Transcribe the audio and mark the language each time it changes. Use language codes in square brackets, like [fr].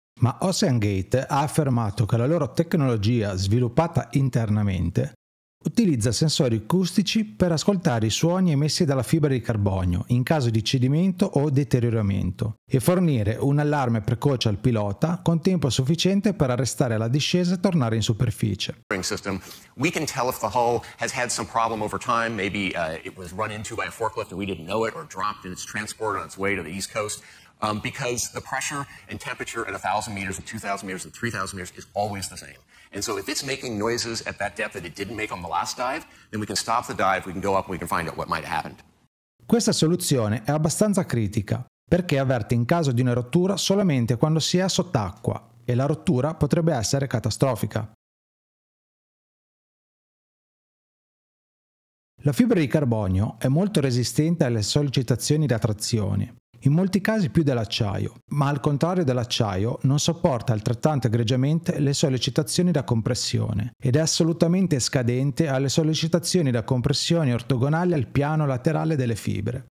[it] Ma OceanGate ha affermato che la loro tecnologia, sviluppata internamente, utilizza sensori acustici per ascoltare i suoni emessi dalla fibra di carbonio in caso di cedimento o deterioramento e fornire un allarme precoce al pilota con tempo sufficiente per arrestare la discesa e tornare in superficie. [en] We can tell if the hull has had some problem over time, maybe it was run into by a forklift and we didn't know it or dropped in its transport on its way to the East Coast. Because the pressure and temperature at 1,000 meters and 2,000 meters and 3,000 meters is always the same. And so if it's making noises at that depth that it didn't make on the last dive, then we can stop the dive, we can go up and we can find out what might have happened. [it] Questa soluzione è abbastanza critica, perché avverte in caso di una rottura solamente quando si è sott'acqua e la rottura potrebbe essere catastrofica. La fibra di carbonio è molto resistente alle sollecitazioni di attrazione, in molti casi più dell'acciaio, ma al contrario dell'acciaio non sopporta altrettanto egregiamente le sollecitazioni da compressione ed è assolutamente scadente alle sollecitazioni da compressione ortogonali al piano laterale delle fibre.